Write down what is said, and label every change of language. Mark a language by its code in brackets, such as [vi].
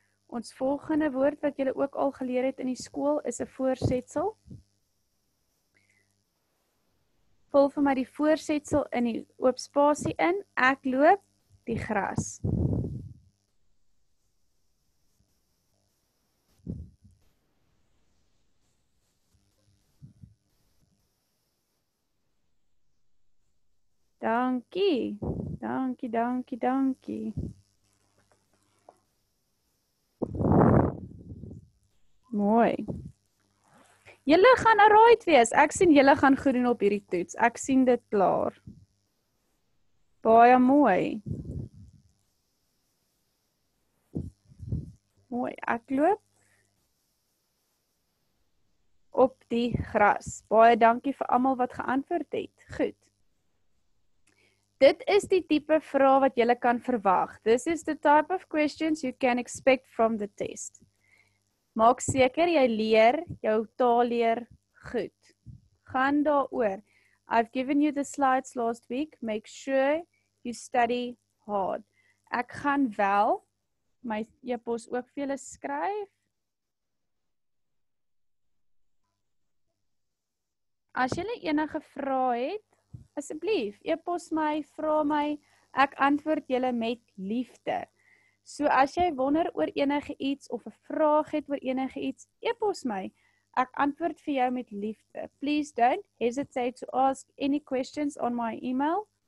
[af] Ons volgende woord wat jullie ook al geleerd het in die school is een voorsetsel. Vul vir my die voorsetsel in die oopspasie in. Ek loop die gras. Dankie. Dankie, dankie, dankie. Mooi. Julle gaan alright wees. Ek sien julle gaan goed doen op hierdie toets. Ek sien dit klaar. Baie mooi. Mooi, ek loop op die gras. Baie dankie vir almal wat geantwoord het. Goed. Dit is die type vraag wat julle kan verwag. [en] This is the type of questions you can expect from the test. [af] Maak seker jy leer jou taal leer goed. Gaan daaroor. [en] I've given you the slides last week. Make sure you study hard. [af] Ek gaan wel my e-pos ook vir julle skryf. As julle enige vrae het, asseblief, e-pos my, vra my, ek antwoord julle met liefde. So as jy wonder oor enige iets of 'n vraag het oor enige iets, e-pos my. Ek antwoord vir jou met liefde. [en] Please don't hesitate to ask any questions on my email.